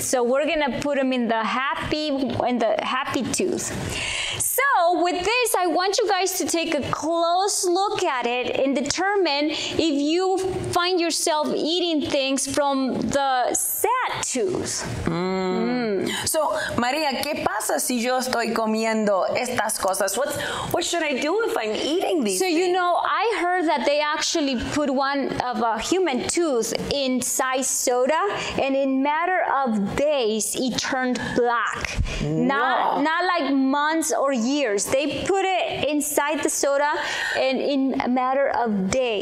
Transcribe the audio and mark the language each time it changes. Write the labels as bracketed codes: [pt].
[en] So we're going to put them in the happy tooth. So with this, I want you guys to take a close look at it and determine if you find yourself eating things from the sad tooth. [es] So, Maria, ¿qué pasa si yo estoy comiendo estas cosas? [en] What should I do if I'm eating these things? You know, I heard that they actually put one of a human tooth inside soda, and in matter of days, it turned black. Not like months or years. They put it inside the soda, and in a matter of days.